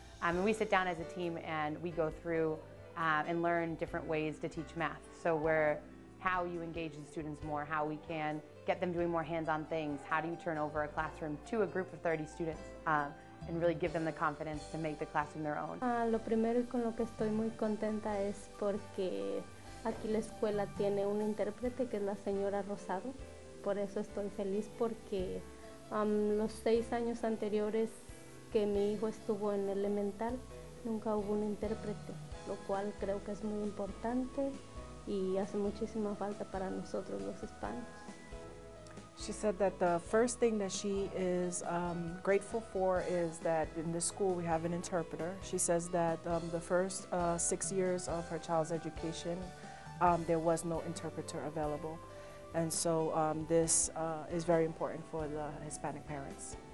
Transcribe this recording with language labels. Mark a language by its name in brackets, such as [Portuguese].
[English] And we sit down as a team and we go through and learn different ways to teach math. So we're how you engage the students more, how we can get them doing more hands-on things, how do you turn over a classroom to a group of 30 students and really give them the confidence to make the classroom their own. [Spanish] Lo primero con lo que estoy muy contenta es porque aquí la escuela tiene un intérprete que es la señora Rosado. Por eso estoy feliz porque los 6 años anteriores que mi hijo estuvo en elemental nunca hubo un intérprete, lo cual creo que es muy importante y hace muchísima falta para nosotros los hispanos. [English] She said that the first thing that she is grateful for is that in this school we have an interpreter. She says that the first 6 years of her child's education, there was no interpreter available. And so this is very important for the Hispanic parents.